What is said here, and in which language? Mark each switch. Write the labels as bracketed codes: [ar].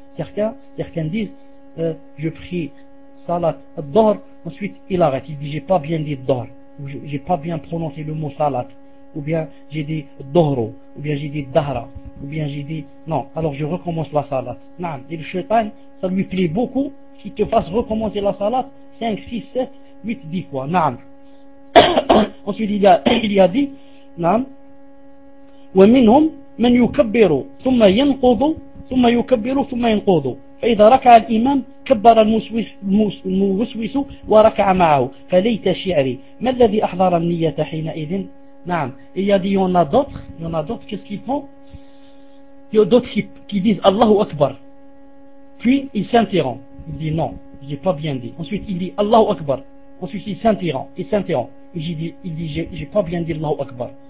[fr] Certains disent je prie salat ad-dhohr, ensuite il arrête, il dit j'ai pas bien dit ad-dhohr, ou j'ai pas bien prononcé le mot salat, ou bien j'ai dit dhohro, ou bien j'ai dit dhara, ou bien j'ai dit non, alors je recommence la salat. Non. Et le shaitan, ça lui plaît beaucoup qu'il te fasse recommencer la salat 5, 6, 7, 8, 10 fois. Non. Ensuite il y a dit non. [ar] وَمِنْهُمْ مَنْ يُكَبِّرُ ثُمَّ يَنْقُضُ ثم يكبر ثم ينقض فإذا ركع الإمام كبر الموسوس وركع معه فليت شعري ما الذي أحضر النية حينئذ. نعم. [fr] Il y a dit il y en a d'autres, qu'est-ce qu'ils font? Il y a d'autres qui disent Allahu Akbar, puis il s'interrompt, il dit non, j'ai pas bien dit. Ensuite il dit Allahu Akbar, ensuite il s'interrompt, il dit j'ai pas bien dit Allahu Akbar.